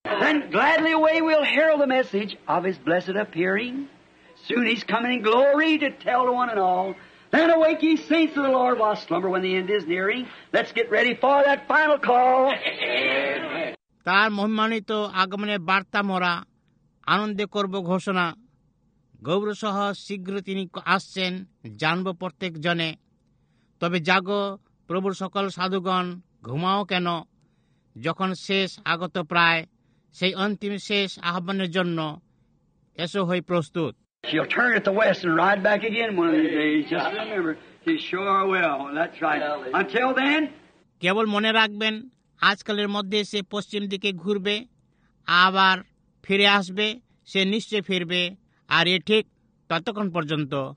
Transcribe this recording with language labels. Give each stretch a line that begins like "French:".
English: Then gladly away we'll herald the message of his blessed appearing. Soon he's coming in glory to tell to one and all. Then awake ye saints of the Lord while slumber when the end is nearing. Let's get ready for that final call.
Bangla: তার মহিমান্বিত আগমনে বার্তা মোরা আনন্দে করব ঘোষণা। গৌর সহ শীঘ্র তিনি আসছেন, জানব প্রত্যেক জনে। তবে জাগো প্রভুর সকল সাধুগণ, ঘুমাও কেন, যখন শেষ আগত প্রায়, সেই অন্তিম শেষ আহ্বানের জন্য এসো হই প্রস্তুত।
English: She'll turn at the west and ride back again one of these days. Just remember, she sure will. That's right. Until then.
Bangla: কেবল মনে রাখবেন, আজকালের মধ্যে সে পশ্চিম দিকে ঘুরবে, আবার ফিরে আসবে, সে নিশ্চয় ফিরবে, আর এ ঠিক ততক্ষণ পর্যন্ত।